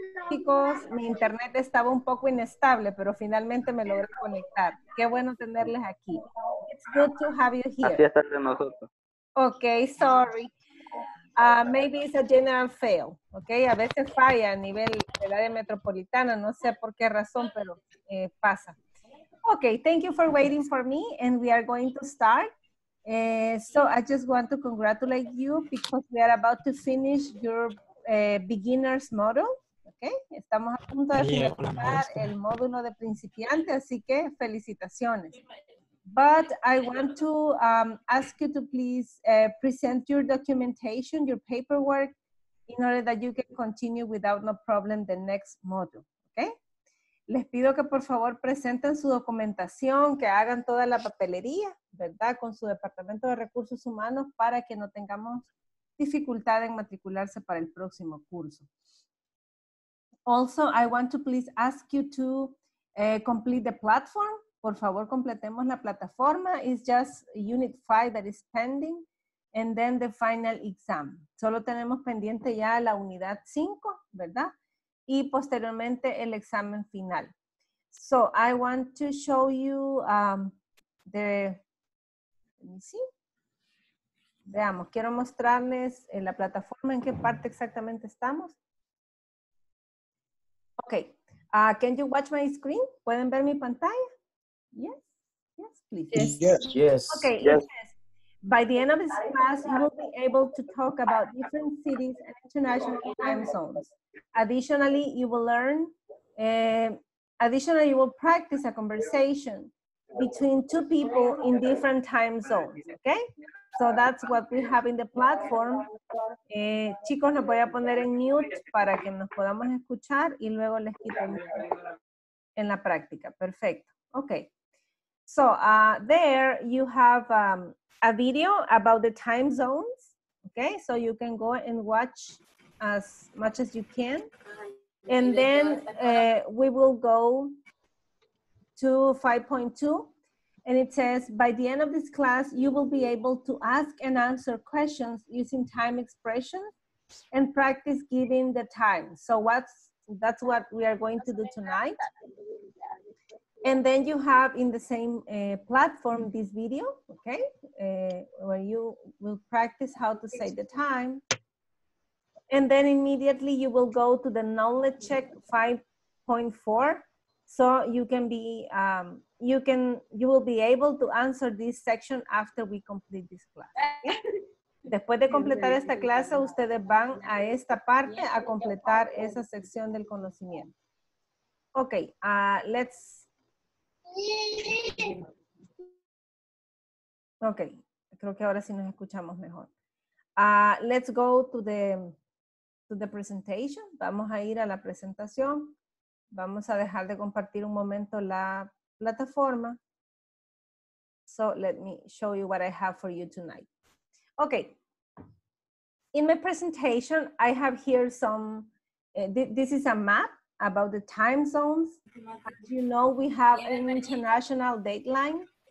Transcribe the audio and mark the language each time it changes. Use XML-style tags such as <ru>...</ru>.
<es>Chicos, mi internet estaba un poco inestable, pero finalmente me logré conectar. Qué bueno tenerles aquí.</es> <en>It's good to have you here.</en> <es>Así está de nosotros.</es> <en>Okay, sorry. Maybe it's a general fail.</en> <es>Okay, a veces falla a nivel del área metropolitana. No sé por qué razón, pero pasa.</es> <en>Okay, thank you for waiting for me, and we are going to start. So I just want to congratulate you because we are about to finish your beginner's module.</en> <es>Okay, estamos a punto de finalizar el módulo de principiante, así que felicitaciones.</es> <en>But I want to ask you to please present your documentation, your paperwork, in order that you can continue without no problem the next module. Okay.</en> <es>Les pido que por favor presenten su documentación, que hagan toda la papelería, ¿verdad? Con su departamento de recursos humanos para que no tengamos dificultad en matricularse para el próximo curso.</es> <en>Also, I want to please ask you to complete the platform.</en> <es>Por favor, completemos la plataforma.</es> <en>It's just Unit 5 that is pending. And then the final exam.</en> <es>Solo tenemos pendiente ya la unidad 5, ¿verdad? Y posteriormente el examen final.</es> <en>So I want to show you let me see.</en> <es>Veamos, quiero mostrarles en la plataforma en qué parte exactamente estamos.</es> <en>Okay, can you watch my screen?</en> <es>¿Pueden ver mi pantalla?</es> <en>Yes, yes, please. Yes, yes. Yes. Okay, yes. Yes. By the end of this class, you will be able to talk about different cities and international time zones. Additionally, you will learn, additionally, you will practice a conversation between two people in different time zones, okay? So that's what we have in the platform.</en> <es>Chicos, los voy a poner en mute para que nos podamos escuchar y luego les quito en la práctica. Perfecto. Okay.</es> <en>So there you have a video about the time zones, okay? So you can go and watch as much as you can. And then we will go to 5.2. And it says, by the end of this class, you will be able to ask and answer questions using time expressions and practice giving the time. So that's what we are going to do tonight. And then you have in the same platform this video, okay, where you will practice how to say the time. And then immediately you will go to the knowledge check 5.4. So you can be, you will be able to answer this section after we complete this class.</en> <es>Después de completar esta clase, ustedes van a esta parte a completar esa sección del conocimiento.</es> <en>Okay, let's.</en> <es>Okay, creo que ahora sí nos escuchamos mejor.</es> <en>Let's go to the presentation.</en> <es>Vamos a ir a la presentación. Vamos a dejar de compartir un momento la plataforma.</es> <en>So let me show you what I have for you tonight. Okay. In my presentation, I have here some, this is a map about the time zones. As you know, we have an international dateline.</en>